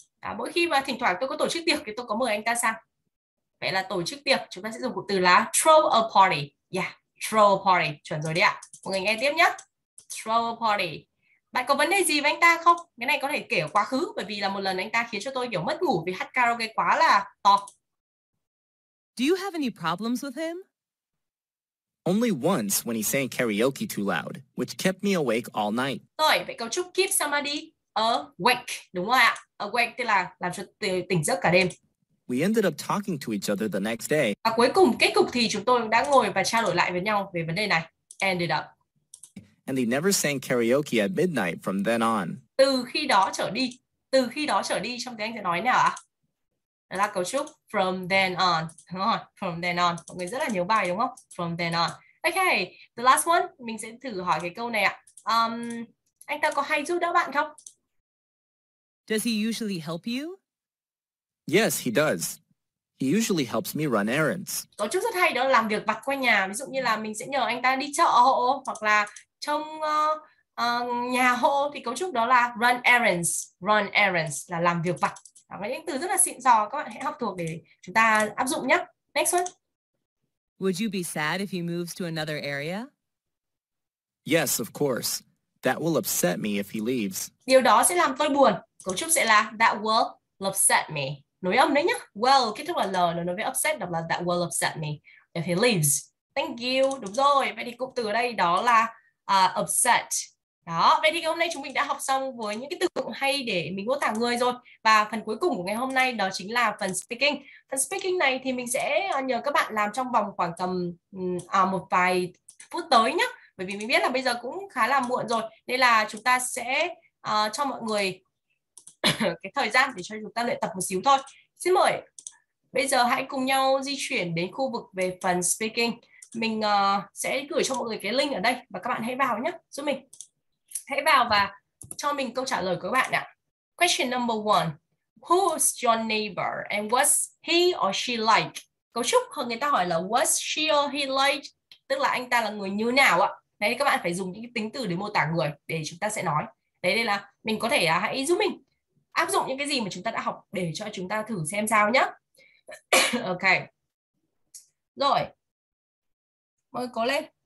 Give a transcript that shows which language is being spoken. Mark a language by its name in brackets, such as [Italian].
[Vietnamese] À, mỗi khi mà thỉnh thoảng tôi có tổ chức tiệc thì tôi có mời anh ta sang. Vậy là tổ chức tiệc chúng ta sẽ dùng cụm từ là throw a party. Yeah. Throw a party. Chuẩn rồi đấy ạ. Mọi người nghe tiếp nhé. Throw a party. Bạn có vấn đề gì với anh ta không? Cái này có thể kể ở quá khứ bởi vì là một lần anh ta khiến cho tôi kiểu mất ngủ vì hát karaoke quá là to. [English] Do you have any problems with him? Only once when he sang karaoke too loud, which kept me awake all night. [Vietnamese] Rồi, vậy cấu trúc keep somebody awake, đúng không ạ? Awake tức là làm cho tỉnh giấc cả đêm. [English] We ended up talking to each other the next day. [Vietnamese] Và cuối cùng, kết cục thì chúng tôi đã ngồi và trao đổi lại với nhau về vấn đề này. [English] Ended up. And he never sang karaoke at midnight from then on. [Vietnamese] Từ khi đó trở đi trong tiếng Anh sẽ nói nào ạ? Đó là cấu trúc from then on. Đúng không? From then on. Mọi người rất là nhiều bài đúng không? From then on. [English] Okay, the last one. [Vietnamese] Mình sẽ thử hỏi cái câu này ạ. Anh ta có hay giúp đỡ bạn không? [English] Does he usually help you? Yes, he does. He usually helps me run errands. [Vietnamese] Có chút rất hay đó, làm việc vặt quanh nhà. Ví dụ như là mình sẽ nhờ anh ta đi chợ hộ hoặc là trông nhà hộ, thì cấu trúc đó là run errands. Run errands là làm việc vặt. Đó là những từ rất là xịn sò, các bạn hãy học thuộc để chúng ta áp dụng nhé. [English] Next one. Would you be sad if he moves to another area? Yes, of course. That will upset me if he leaves. [Vietnamese] Điều đó sẽ làm tôi buồn. Cấu trúc sẽ là that will upset me. Nối âm đấy nhá. Well, kết thúc là L, nó nối với upset, đọc là [English] that will upset me if he leaves. Thank you. [Vietnamese] Đúng rồi. Vậy thì cụm từ ở đây đó là upset. Đó. Vậy thì hôm nay chúng mình đã học xong với những cái từ cụm hay để mình mô tả người rồi. Và phần cuối cùng của ngày hôm nay đó chính là phần speaking. Phần speaking này thì mình sẽ nhờ các bạn làm trong vòng khoảng tầm một vài phút tới nhá. Bởi vì mình biết là bây giờ cũng khá là muộn rồi. Nên là chúng ta sẽ cho mọi người cái thời gian để cho chúng ta luyện tập một xíu thôi. Xin mời, bây giờ hãy cùng nhau di chuyển đến khu vực về phần speaking. Mình sẽ gửi cho mọi người cái link ở đây và các bạn hãy vào nhé, giúp mình. Hãy vào và cho mình câu trả lời của các bạn ạ. [English] Question number one. Who's your neighbor and what's he or she like? [Vietnamese] Cấu trúc hơn người ta hỏi là what's she or he like? Tức là anh ta là người như nào ạ? Đấy, các bạn phải dùng những cái tính từ để mô tả người để chúng ta sẽ nói. Đấy, đây là mình có thể hãy giúp mình áp dụng những cái gì mà chúng ta đã học để cho chúng ta thử xem sao nhé. Ok. Rồi. Mời cố lên.